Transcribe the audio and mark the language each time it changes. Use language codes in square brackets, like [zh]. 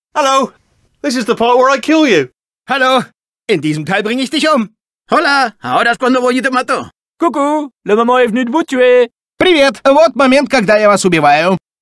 [en] Hello, this is the part where I kill you. [de] Hello, en diesem Teil bringe ich dich um. [es] Hola, ahora es cuando voy y te mato. [fr] Coucou, le moment est venu de vous tuer. [ru] Привет, вот момент, когда я вас убиваю.